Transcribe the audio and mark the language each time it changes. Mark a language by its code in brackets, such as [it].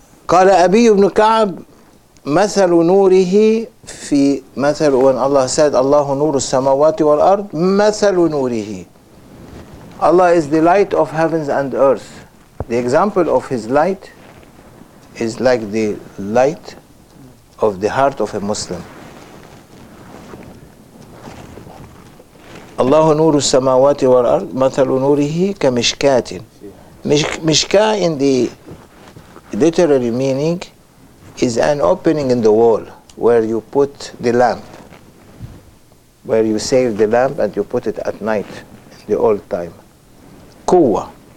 [ar] قال أبي بن كعب مثل نوره في مثل [en] when Allah said [ar] الله نور السماوات والأرض مثل نوره. [en] Allah is the light of heavens and earth. The example of his light is like the light of the heart of a Muslim. [ar] الله نور السماوات والأرض مثل نوره كمشكات. [en] مشكاة in the literary meaning is an opening in the wall where you put the lamp, where you save the lamp and you put it at night in the old time. Kuwa.